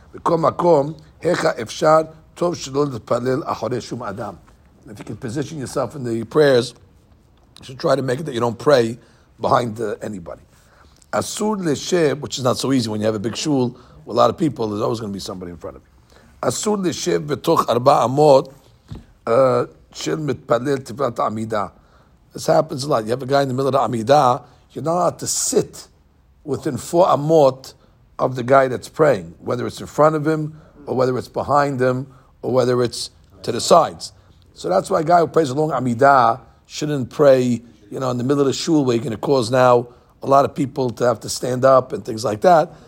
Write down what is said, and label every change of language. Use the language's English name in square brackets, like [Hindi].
[English] If you can position yourself in the prayers, you should try to make it that you don't pray behind anybody. [Hebrew] Asur l'shev, [English] which is not so easy when you have a big shul with a lot of people, there's always going to be somebody in front of you. [Hebrew] אסור לשב בתוך 4 אמות של מתפלל תפילת העמידה. [English] This happens a lot. You have a guy in the middle of the עמידה, you're not allowed to sit within 4 אמות of the guy that's praying, whether it's in front of him, or whether it's behind him, or whether it's to the sides. So that's why a guy who prays along עמידה shouldn't pray, you know, in the middle of the shul where you're going to cause now a lot of people to have to stand up and things like that.